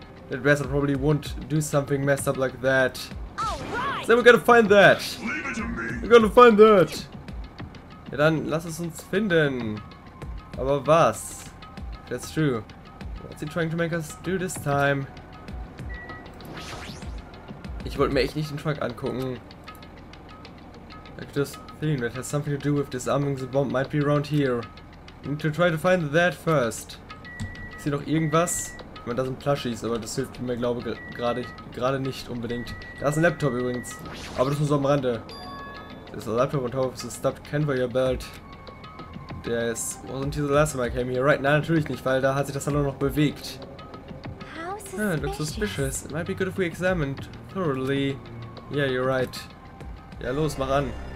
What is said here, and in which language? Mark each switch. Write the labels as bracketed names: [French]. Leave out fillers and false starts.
[English] That Bessel probably won't do something messed up like that. Alright! Then we gotta find that! Leave it to me! We gotta find that! [German] Ja, dann lass es uns finden. Aber was? [English] That's true. What's he trying to make us do this time? [German] Ich wollte mir echt nicht den Truck angucken. [English] Like this thing that has something to do with disarming the bomb might be around here. We need to try to find that first. [German] Ist hier noch irgendwas? Ich meine, da sind Plushies, aber das hilft mir, glaube ich, gerade nicht unbedingt. Da ist ein Laptop übrigens. Aber das ist nur so am Rande. [English] There's a laptop on top of the stuffed conveyor belt. This wasn't the last time I came here, right? [German] Nein, natürlich nicht, weil da hat sich das dann nur noch bewegt. [English] How suspicious. Ah, it looks suspicious. It might be good if we examined thoroughly. Yeah, you're right. [German] Ja, los, mach an.